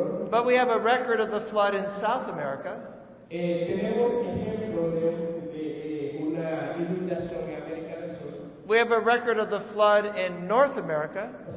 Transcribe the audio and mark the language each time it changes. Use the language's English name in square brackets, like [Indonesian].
[English] But we have a record of the flood in South America. [Spanish] Tenemos ejemplo de una inundación en América del Sur. [English] We have a record of the flood in North America.